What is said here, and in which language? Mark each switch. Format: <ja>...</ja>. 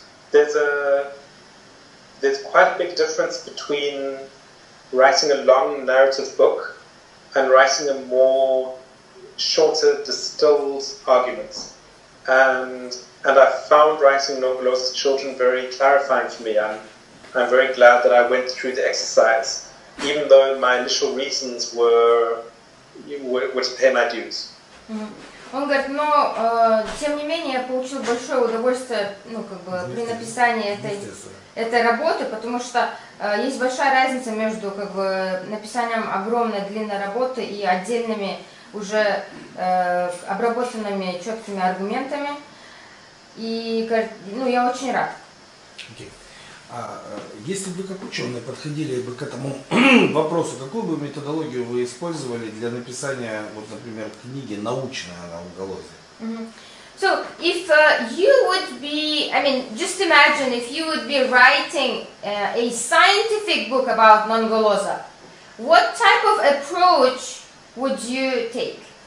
<en>There's quite a big difference between writing a long narrative book and writing a more shorter, distilled arguments. And I found writing nonголоза children very clarifying for me. I'm very glad that I went through the exercise, even though my initial reasons were to pay my dues.</en> <ru>Он говорит, но тем не менее я получил большое удовольствие, ну как бы при написании этой работы, потому что есть большая разница между как бы написанием огромной длинной работы и отдельными уже обработанными четкими аргументами. И говорит, ну я очень рад. Okay. А если бы как ученые подходили бы к этому вопросу, какую бы методологию вы использовали для написания, вот, например, книги научной о нонголозе?</ru> <en>So if you would be, I mean, just imagine if you would be writing a scientific book about nonголоза, what type of approach would you take?</en>